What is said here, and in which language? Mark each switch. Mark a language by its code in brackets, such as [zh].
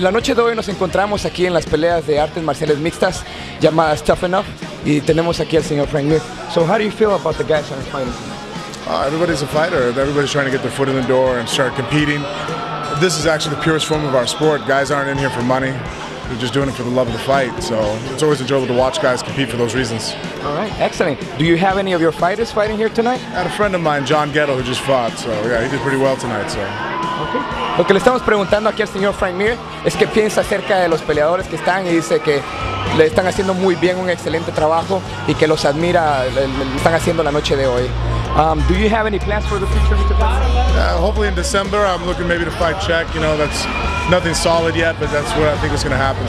[es] La noche de hoy nos encontramos aquí en las peleas de artes marciales mixtas llamadas Tuff-N-Uff, y tenemos aquí al señor Frank Mir. [en] So how do you feel about the guys that are fighting? Everybody's a fighter. Everybody's trying to get their foot in the door and start competing. This is actually the purest form of our sport. Guys aren't in here for money. They're just doing it for the love of the fight. So it's always enjoyable to watch guys compete for those reasons. All right, excellent. Do you have any of your fighters fighting here tonight? I had a friend of mine, John Gettle, who just fought. So yeah, he did pretty well tonight. So. Okay. [es] Lo que le estamos preguntando aquí al señor Frank Mir es qué piensa acerca de los peleadores que están, y dice que le están haciendo muy bien, un excelente trabajo, y que los admira, le están haciendo la noche de hoy. [en] Do you have any plans for the future, Mr. Patterson? Hopefully in December. I'm looking maybe to fight Czech. You know, that's nothing solid yet, but that's what I think is going to happen.